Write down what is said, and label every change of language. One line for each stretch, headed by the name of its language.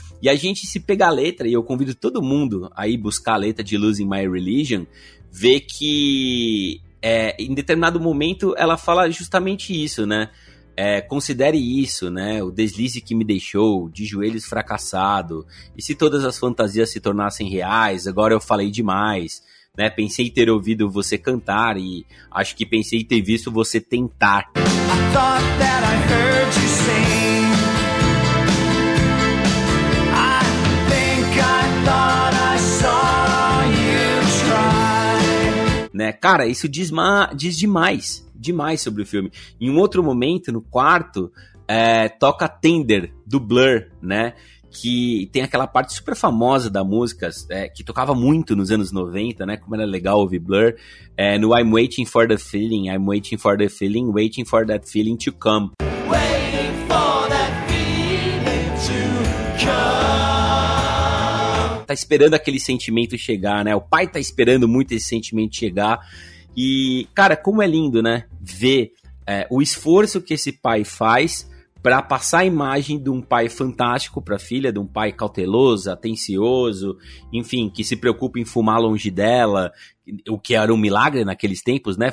Portuguese: E a gente se pega a letra, e eu convido todo mundo a ir buscar a letra de Losing My Religion, ver que em determinado momento ela fala justamente isso, né? É, considere isso, né? O deslize que me deixou, de joelhos fracassado, e se todas as fantasias se tornassem reais, agora eu falei demais. Né, pensei ter ouvido você cantar e acho que pensei ter visto você tentar.
English: I thought that I heard you sing. I think I thought I saw you try.
Portuguese: Né, cara, isso diz demais, demais sobre o filme. Em um outro momento, no quarto, toca Tender, do Blur, né? Que tem aquela parte super famosa da música, que tocava muito nos anos 90, né? Como era legal ouvir Blur. É, no
English: I'm Waiting for the Feeling, I'm Waiting for the Feeling, Waiting for that Feeling to Come. Waiting for that feeling to come.
Portuguese: Tá esperando aquele sentimento chegar, né? O pai tá esperando muito esse sentimento chegar. E, cara, como é lindo, né? Ver o esforço que esse pai faz para passar a imagem de um pai fantástico para a filha, de um pai cauteloso, atencioso, enfim, que se preocupa em fumar longe dela, o que era um milagre naqueles tempos, né?